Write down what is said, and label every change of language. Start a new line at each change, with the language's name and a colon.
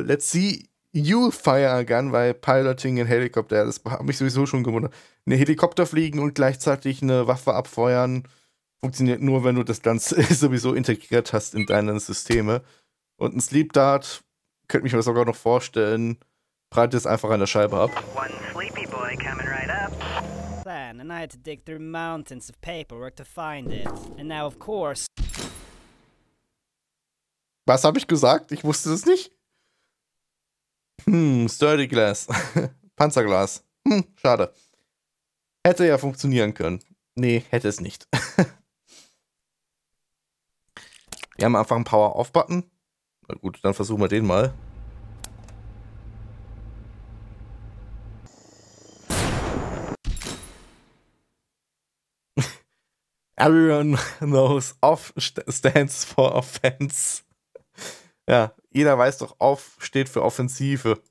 English: Let's see you fire a gun,
German: weil piloting ein Helikopter, das hat mich sowieso schon gewundert. Ein Helikopter fliegen und gleichzeitig eine Waffe abfeuern, funktioniert nur, wenn du das Ganze sowieso integriert hast in deine Systeme. Und ein Sleep Dart, könnte mich mir sogar noch vorstellen, breitet es einfach an der Scheibe ab.
English: One sleepy boy coming right up. Plan, and I had to dig through mountains of paperwork to find it. And now of course...
German: Was habe ich gesagt? Ich wusste es nicht. Sturdy Glass. Panzerglas. Schade. Hätte ja funktionieren können. Nee, hätte es nicht. Wir haben einfach einen Power-Off-Button. Na gut, dann versuchen wir den mal.
English: Everyone knows off stands for offense.
German: Ja, jeder weiß doch, off steht für Offensive.